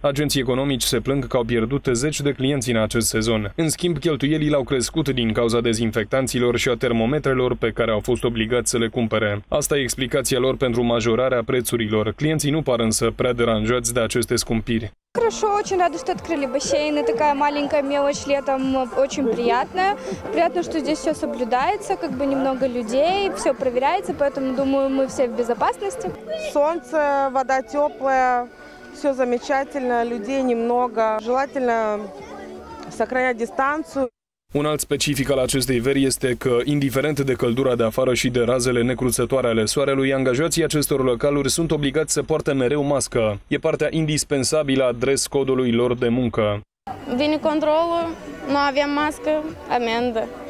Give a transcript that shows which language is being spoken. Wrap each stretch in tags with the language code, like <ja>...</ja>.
<ro>Agenții economici se plâng că au pierdut 10 de clienți în acest sezon. În schimb, cheltuielile au crescut din cauza dezinfectanților și a termometrelor pe care au fost obligați să le cumpere. Asta e explicația lor pentru majorarea prețurilor. Clienții nu par însă prea deranjați de aceste scumpiri.</ro> <ru>Хорошо, очень рада, что открыли бассейн. И такая маленькая мелочь летом очень приятная. Приятно, что здесь все соблюдается, как бы немного людей, все проверяется, поэтому, думаю, мы все в безопасности. Солнце, вода теплая, все замечательно, людей немного. Желательно сохранять дистанцию.</ru> <ro>Un alt specific al acestei veri este că, indiferent de căldura de afară și de razele necruțătoare ale soarelui, angajații acestor localuri sunt obligați să poarte mereu mască. E partea indispensabilă a dress code-ului lor de muncă. Vine controlul, nu avem mască, amendă.</ro>